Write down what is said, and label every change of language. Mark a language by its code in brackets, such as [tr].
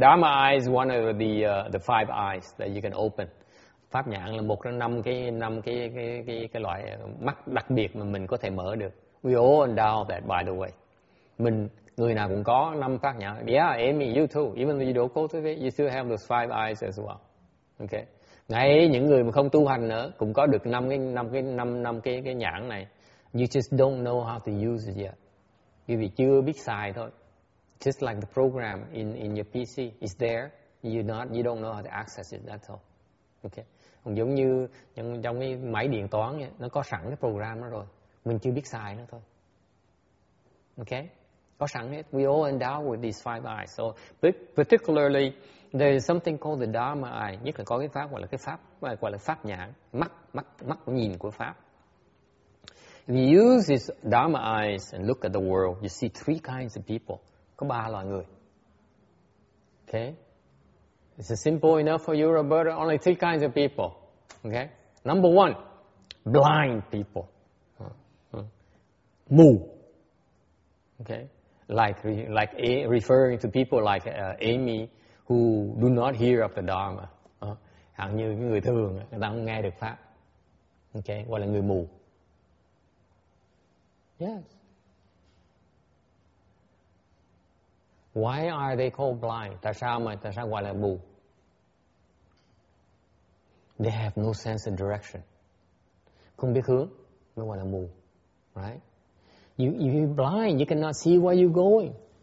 [en] Dharma eyes is one of the five eyes that you can open. [vi] Pháp nhãn là một trong năm cái loại mắt đặc biệt mà mình có thể mở được. [en] We all endow that, by the way. [vi] Mình người nào cũng có năm pháp nhãn. [en] Yeah, Amy, you too. Even though you don't cultivate, you still have those five eyes as well. Okay. [vi] Ngay những người mà không tu hành nữa cũng có được năm cái nhãn này. [en] You just don't know how to use it yet. [vi] Quý vị chưa biết xài thôi. [en] Just like the program in your PC is there, you don't know how to access it, that's all. Okay. [vi] Giống như trong cái máy điện toán vậy, nó có sẵn cái program đó rồi, mình chưa biết xài nó thôi. Okay. Có sẵn hết. [en] We all endowed with these five eyes. So particularly there is something called the Dharma eye, [vi] nhất là có cái pháp nhãn, mắt nhìn của pháp. [en] If you use these Dharma eyes and look at the world, you see three kinds of people. [vi] Có ba loại người. [en] Okay. It's simple enough for you, Roberta. Only three kinds of people. Okay. Number one, blind people. [vi] Mù. Okay. [en] Like referring to people like Amy who do not hear of the Dharma. [vi] Hẳn như cái người thường, người ta không nghe được pháp. Okay. Gọi là người mù. [en] Yes. Why are they called blind? [vi] Tại sao gọi là mù? [en] They have no sense of direction. [vi] Không biết hướng, mới gọi là mù. [en] Right? You're blind, you cannot see where you're going.